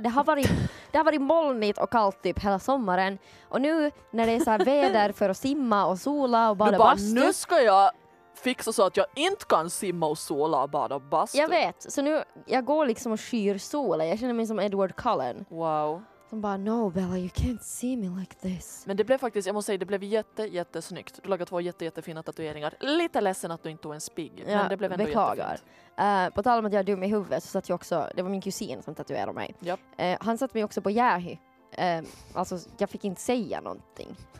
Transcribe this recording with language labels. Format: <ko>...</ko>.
<sv>Det har varit molnigt och kallt typ hela sommaren. Och nu när det är så här väder för att simma och sola och bada bastu. Nu ska jag fixa så att jag inte kan simma och sola och bada bastu. Jag vet, så nu jag går liksom och skyr solen. Jag känner mig som Edward Cullen. Wow. Som bara,</sv> <en>no Bella, you can't see me like this.</en> <sv>Men det blev faktiskt, jag måste säga, det blev jättesnyggt. Du lagade 2 jättefina tatueringar. Lite ledsen att du inte tog en spigg. Ja, men det blev ändå beklagar. Jättefint. På tal om att jag är dum i huvudet så satt jag också, det var min kusin som tatuerade mig. Ja. Han satt mig också på Jähy. Alltså, jag fick inte säga någonting.</sv>